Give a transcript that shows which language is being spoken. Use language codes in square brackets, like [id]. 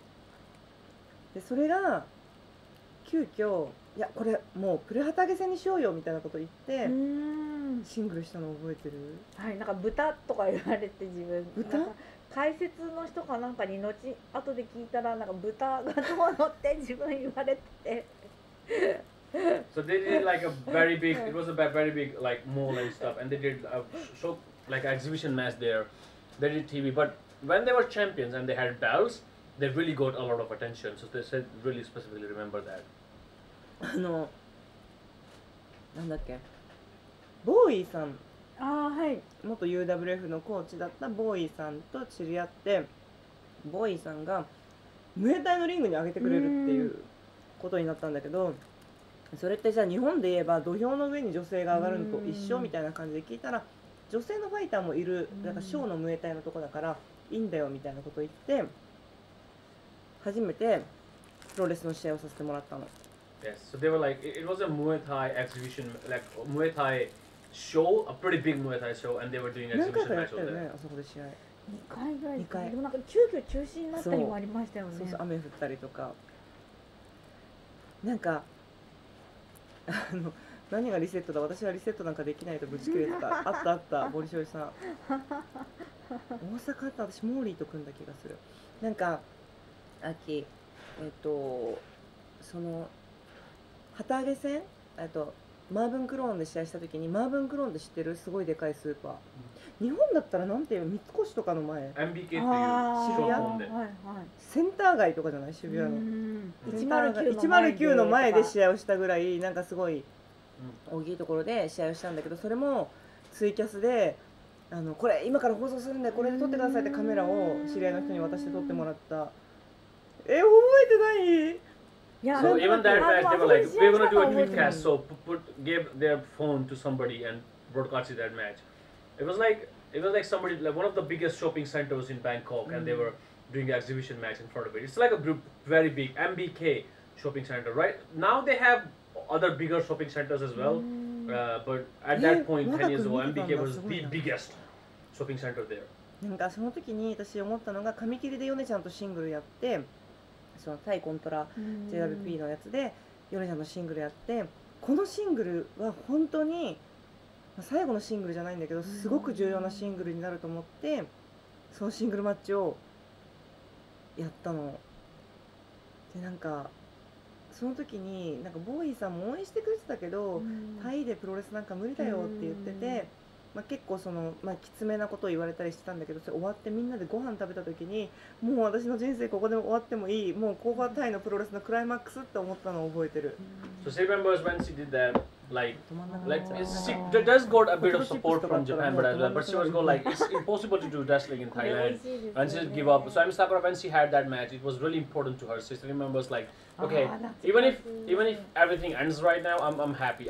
[ja] はいはい、でそれが急遽、いやこれもうプレ旗揚げ戦にしようよみたいなこと言って、うん、シングルしたの覚えてる？はい、なんか豚とか言われて、自分豚、なんか解説の人かなんかに後後で聞いたら、なんか豚がどうのって自分言われて。 [en] So they did like a very big, it was a very big like mall and stuff, and they did a show like exhibition match there. They did TV, but when they were champions and they had belts, they really got a lot of attention. So they said really specifically remember that. [ja] あのなんだっけ？ボーイさん、あ、はい、元 UWF のコーチだったボーイさんと知り合って、ボーイさんがムエタイのリングに上げてくれるっていうことになったんだけど、それってじゃあ日本で言えば土俵の上に女性が上がるのと一緒みたいな感じで聞いたら、女性のファイターもいる、だからショーのムエタイのとこだからいいんだよみたいなこと言って、初めてプロレスの試合をさせてもらったの。 [en] Yes, so they were like, it was a Muay Thai exhibition, like Muay Thai show, a pretty big Muay Thai show, and they were doing exhibition match over there. [ja] 何回かやったよね、あそこで試合。 2回ぐらいで、2回。でもなんか急遽中止になったりもありましたよね。そうそう、雨降ったりとか。なんか、何がリセットだ、私はリセットなんかできないとぶち切れてた。あったあった、ボリショイさん。大阪あった、私モーリーと組んだ気がする。なんか、秋、その、旗揚げ戦、マーブンクローンで試合したときに、マーブンクローンで知ってる、すごいでかいスーパー、日本だったらなんていう、三越とかの前、 MBK っていう渋谷、はいはい、センター街とかじゃない、渋谷の、 109 の前で試合をしたぐらい、なんかすごい大きいところで試合をしたんだけど、それもツイキャスで、これ、今から放送するんで、これで撮ってくださいってカメラを知り合いの人に渡して撮ってもらった。覚えてない？ [en] Yeah. So even that fact, they were like, we're going to do a tweetcast, so gave their phone to somebody and broadcasted that match. It was like somebody, like one of the biggest shopping centers in Bangkok, and they were doing an exhibition match in front of it. It's like a group, very big, MBK shopping center, right? Now they have other bigger shopping centers as well, but at that point, 10 years ago, MBK was the biggest shopping center there. [ja] なんかその時に私思ったのが、髪切りでヨネちゃんとシングルやって、その対コントラ JWP のやつでヨネちゃんのシングルやって、このシングルは本当に最後のシングルじゃないんだけど、すごく重要なシングルになると思って、そのシングルマッチをやったので、なんかその時になんかボーイさんも応援してくれてたけど、タイでプロレスなんか無理だよって言ってて、まあ、結構その、まあ、きつめなことを言われたりしてたんだけど、それ終わってみんなでご飯食べた時に、もう私の人生ここで終わってもいい、もうコーバータイのプロレスのクライマックスって思ったのを覚えてる。 [en] So she remembers when she did that, like she does got a bit of support from Japan, but as well, but she was going like it's impossible to do wrestling in Thailand, and she just give up. So I'm Sakura when she had that match, it was really important to her. She remembers like, okay, even if everything ends right now, I'm happy.